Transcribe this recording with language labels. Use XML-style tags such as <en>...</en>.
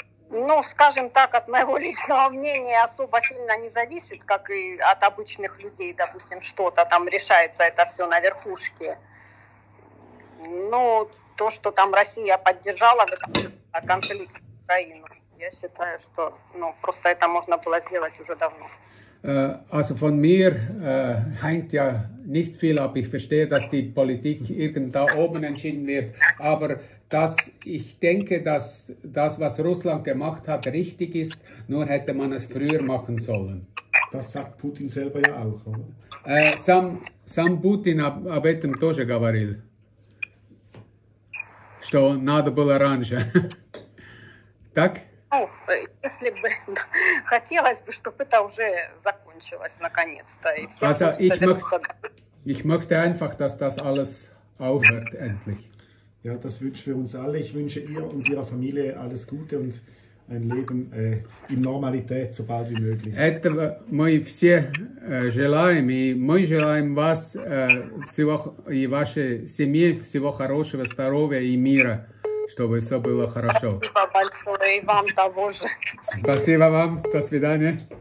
<ru>Ну, скажем так, от моего личного мнения особо сильно не зависит, как и от обычных людей, допустим, что-то там решается это все на верхушке. Но то, что там Россия поддержала конфликт с Украиной, я считаю, что, ну, просто это можно было сделать уже давно.</ru> <de>Also von mir hängt ja nicht viel ab. Ich verstehe, dass die Politik irgend da oben entschieden wird. Aber dass ich denke, dass das, was Russland gemacht hat, richtig ist, nur hätte man es früher machen sollen. Das sagt Putin selber ja auch, oder?</de> <ru>Сам Путин об этом тоже говорил, что надо было раньше. Так? Ну, если бы хотелось бы, чтобы это уже закончилось наконец-то. И все</ru> <de>also, ich möchte einfach, dass das alles aufhört, endlich. Ja, das wünschen wir uns alle. Ich wünsche ihr und ihrer Familie alles Gute und ein Leben in Normalität, so bald wie möglich.</de> <ru>Это мы все желаем, и мы желаем вас всего, и вашей семье всего хорошего, здоровья и мира. чтобы все было хорошо. Спасибо большое и вам того же. Спасибо вам. До свидания.</ru>